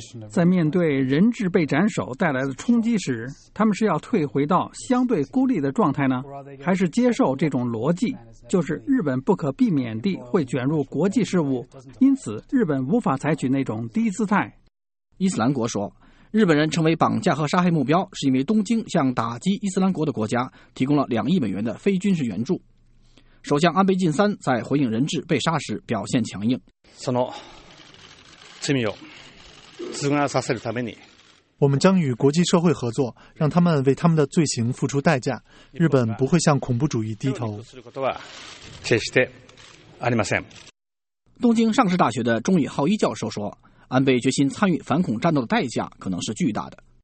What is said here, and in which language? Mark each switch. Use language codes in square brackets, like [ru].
[zh] 在面对人质被斩首带来的冲击时，他们是要退回到相对孤立的状态呢，还是接受这种逻辑，就是日本不可避免地会卷入国际事务，因此日本无法采取那种低姿态。伊斯兰国说，日本人成为绑架和杀害目标，是因为东京向打击伊斯兰国的国家提供了2亿美元的非军事援助。首相安倍晋三在回应人质被杀时表现强硬， [ja] その罪を償わさせるために、 [zh] 我们将与国际社会合作，让他们为他们的罪行付出代价，日本不会向恐怖主义低头。 [ja] 決してありません。 [zh] 东京上智大学的中野浩一教授说，安倍决心参与反恐战斗的代价可能是巨大的。